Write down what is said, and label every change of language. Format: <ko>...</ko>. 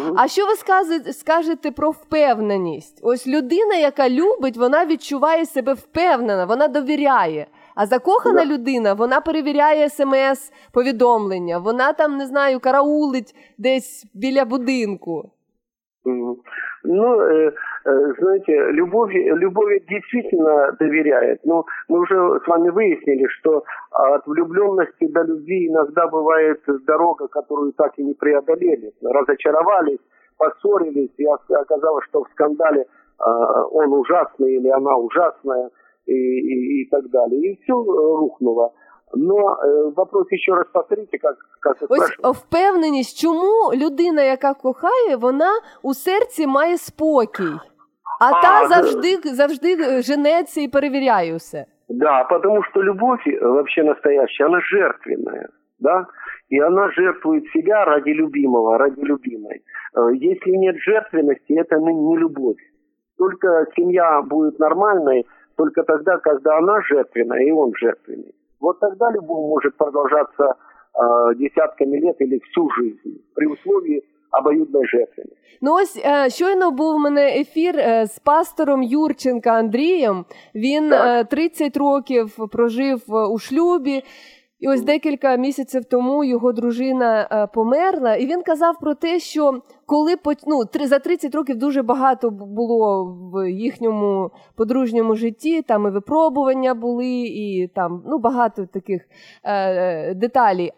<uk>А що ви скажете про впевненість? Ось людина, яка любить, вона відчуває себе впевнена, вона довіряє. А закохана людина, вона перевіряє смс, повідомлення, вона там, не знаю, караулить десь біля будинку.</uk> <ru>Ну, знаете, любовь действительно доверяет, но мы уже с вами выяснили, что от влюбленности до любви иногда бывает дорога, которую так и не преодолели, разочаровались, поссорились, и оказалось, что в скандале он ужасный или она ужасная и так далее, и все рухнуло.</ru> <uk>Ну, вопрос ще раз повторити, як це спрашувати. Ось впевненість, чому людина, яка кохає, вона у серці має спокій, а та завжди женеться і перевіряє усе. Так, тому що любов, взагалі, настояща, вона жертвенна, да? І вона жертвує себе ради любимого, ради любимої. Якщо нет жертвенності, це не любов. Тільки сім'я буде нормальною, тільки тоді, коли вона жертвенна і він жертвенний.</uk> <ru>Вот тогда любовь может продолжаться десятками лет или всю жизнь при условии обоюдной жертвенности.</ru> <uk>Ну ось, щойно був у мене ефір з пастором Юрченко Андрієм. Він 30 років прожив у шлюбі. І ось декілька місяців тому його дружина померла, і він казав про те, що коли за 30 років дуже багато було в їхньому подружньому житті, там і випробування були, і там багато таких деталей.</uk>